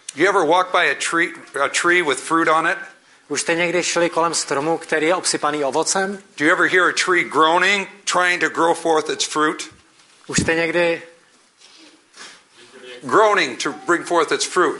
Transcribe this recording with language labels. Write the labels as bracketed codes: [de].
[en] You ever walk by a tree with fruit on it? [cs] Už jste někdy šli kolem stromu, který je obsypaný ovocem? [en] Do you ever hear a tree groaning, trying to grow forth its fruit? [cs] Už jste někdy [en] groaning to bring forth its fruit?